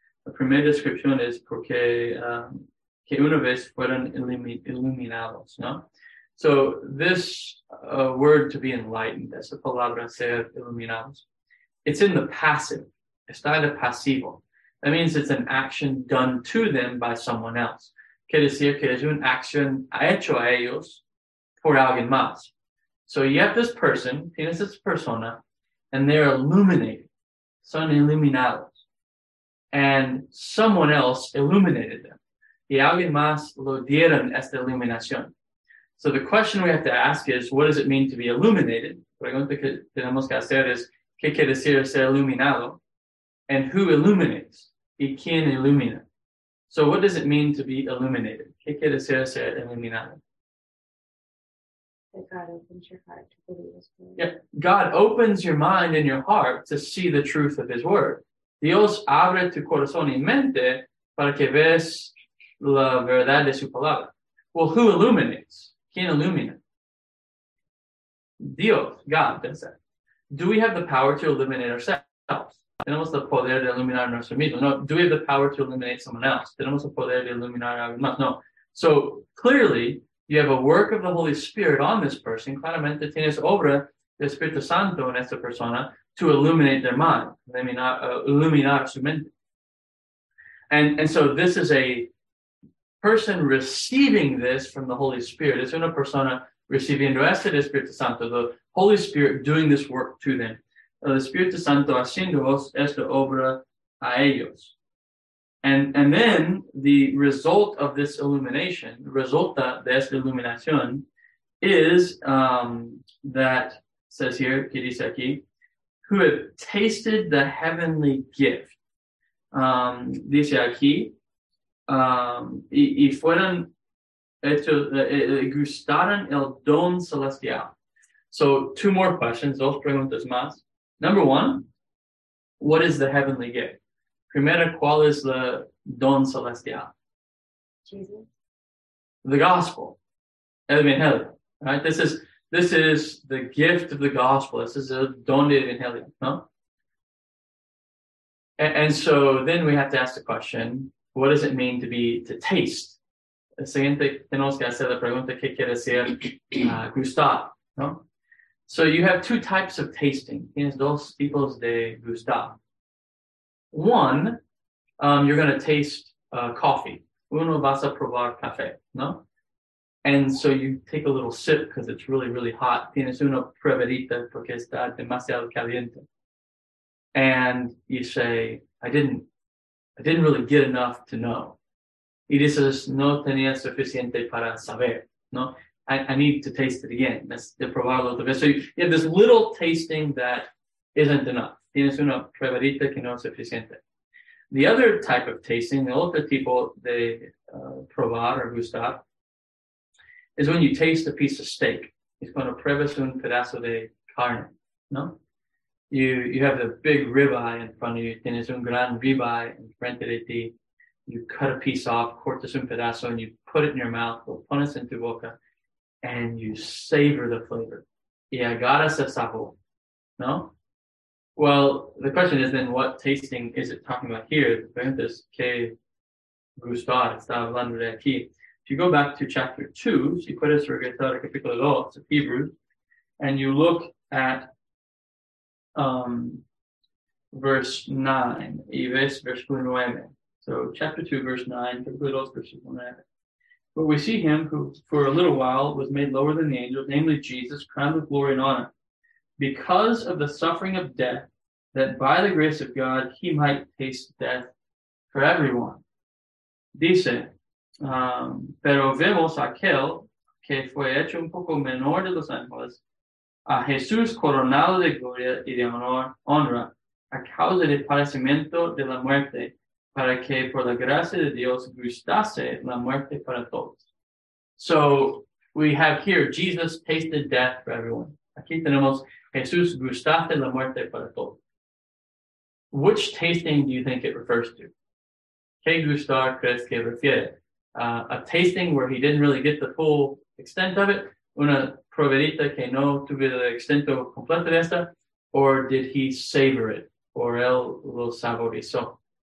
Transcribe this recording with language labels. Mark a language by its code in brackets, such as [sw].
[es] The primera descripción is porque que una vez fueron iluminados, ¿no? [en] So this word to be enlightened, [es] esa palabra ser iluminados, [en] it's in the passive. [es] Está en el pasivo. [en] That means it's an action done to them by someone else. [es] Quiere decir que es una acción hecho a ellos por alguien más. [en] So you have this person, [es] tienes esta persona, [en] and they're illuminated. [es] Son iluminados. [en] And someone else illuminated them. [es] Y alguien más lo dieron esta iluminación. [en] So the question we have to ask is, what does it mean to be illuminated? [es] La pregunta que tenemos que hacer es, ¿qué quiere decir ser iluminado? [en] And who illuminates? [es] ¿Y quién ilumina? [en] So what does it mean to be illuminated? [es] ¿Qué quiere decir ser iluminado? [en] That God opens your heart to believe his word. Yeah, God opens your mind and your heart to see the truth of his word. [es] Dios abre tu corazón y mente para que veas la verdad de su palabra. [en] Well, who illuminates? [es] ¿Quién ilumina? Dios, [en] God, does that. Do we have the power to illuminate ourselves? [es] Tenemos el poder de iluminar nuestro mismo. [en] No, do we have the power to illuminate someone else? [es] Tenemos el poder de iluminar a alguien más. [en] No. So, clearly, you have a work of the Holy Spirit on this person. [es] Claramente tienes obra del Espíritu Santo en esta persona [en] to illuminate their mind. [es] Iluminar su mente. [en] And so this is a person receiving this from the Holy Spirit. [es] Es una persona recibiendo este del Espíritu Santo. [en] The Holy Spirit doing this work to them. [es] El Espíritu Santo haciendo esta obra a ellos. [en] And then the result of this illumination, [es] resulta de esta iluminación, [en] is that, says here, [es] que dice aquí, [en] who have tasted the heavenly gift. [es] dice aquí, y fueron hechos, gustaron el don celestial. [en] So, two more questions, [es] dos preguntas más. [en] Number one, what is the heavenly gift? [es] Primera, ¿cuál es el don celestial? [en] Jesus. The gospel. [es] El evangelio. [en] Right? This is the gift of the gospel. This is a [es] don de evangelio. No? [en] And so then we have to ask the question, what does it mean to taste? [es] La siguiente, tenemos que hacer la pregunta, ¿qué quiere decir gustar? [en] No? So you have two types of tasting. [es] Tienes dos tipos de gustar. [en] One, you're going to taste coffee. [es] Uno vas a probar café, ¿no? [en] And so you take a little sip because it's really, really hot. [es] Tienes una pruebita porque está demasiado caliente. [en] And you say, I didn't really get enough to know. [es] Y dices, no tenía suficiente para saber, ¿no? [en] I need to taste it again. That's [es] de probarlo otra vez. [en] So you have this little tasting that isn't enough. [es] Tienes una pruebita que no es suficiente. [en] The other type of tasting, the other [es] tipo de probar [en] or gustar, is when you taste a piece of steak. [es] Es cuando pruebas un pedazo de carne, ¿no? [en] You have the big ribeye in front of you. [es] Tienes un gran ribeye en frente de ti. [en] You cut a piece off, [es] cortas un pedazo, [en] and you put it in your mouth, [es] lo pones en tu boca, [en] and you savor the flavor. [es] Y agarras el sabor, ¿no? [en] Well, the question is then, what tasting is it talking about here? [es] The pregunta es, ¿qué gustar está hablando de aquí? [en] If you go back to chapter 2, [es] si puedes regresar a capítulo 2, [en] it's of Hebrews, and you look at verse 9, [es] y ves versículo 9. [en] So chapter 2, verse 9, [es] capítulo 2, versículo 9. [en] But we see him who for a little while was made lower than the angels, namely Jesus, crowned with glory and honor, because of the suffering of death, that by the grace of God he might taste death for everyone. [es] Dice, pero vemos aquel que fue hecho un poco menor de los ángeles, a Jesús coronado de gloria y de honra, a causa del padecimiento de la muerte, para que por la gracia de Dios gustase la muerte para todos. [en] So we have here, Jesus tasted death for everyone. [es] Aquí tenemos, Jesús gustaste la muerte para todos. [en] Which tasting do you think it refers to? [es] ¿Qué gustar crees que refiere? [en] A tasting where he didn't really get the full extent of it, [es] una probadita que no tuve el extento completo de esta, [en] or did he savor it, or [es] él lo saborizó?